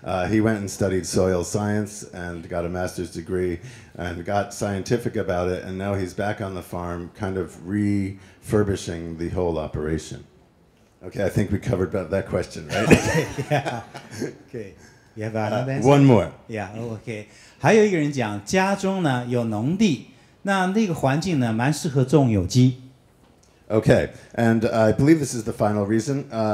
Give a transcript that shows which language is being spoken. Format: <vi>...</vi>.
<en>He went and studied soil science and got a master's degree and got scientific about it, and now he's back on the farm kind of refurbishing the whole operation. Okay, I think we covered about that question, right? Okay, yeah. Okay. You have another answer? One more. Yeah, okay.</en> <zh>还有一个人讲，家中呢有农地，那个环境呢蛮适合种有机。</zh> <en>Okay, and I believe this is the final reason.</en>